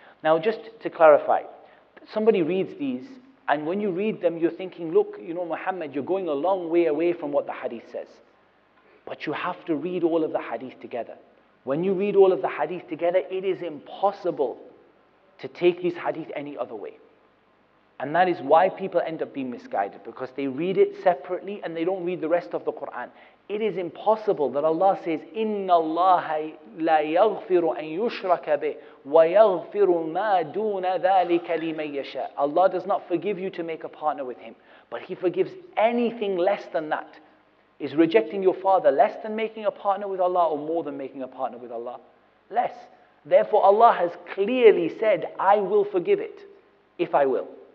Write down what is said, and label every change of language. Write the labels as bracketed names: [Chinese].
[English] Now, just to clarify, somebody reads these, and when you read them, you're thinking, look, you know, Muhammad, you're going a long way away from what the hadith says. But you have to read all of the hadith together. When you read all of the hadith together, it is impossible to take these hadith any other way. And that is why people end up being misguided, because they read it separately and they don't read the rest of the Quran. It is impossible that Allah says, [Arabic] إِنَّ اللَّهَ لَا يَغْفِرُ أَن يُشْرَكَ بِهِ وَيَغْفِرُ مَا دُونَ ذَٰلِكَ لِمَن يَشَاءُ. [English] Allah does not forgive you to make a partner with Him, but He forgives anything less than that. Is rejecting your father less than making a partner with Allah, or more than making a partner with Allah? Less. Therefore, Allah has clearly said, I will forgive it, if I will.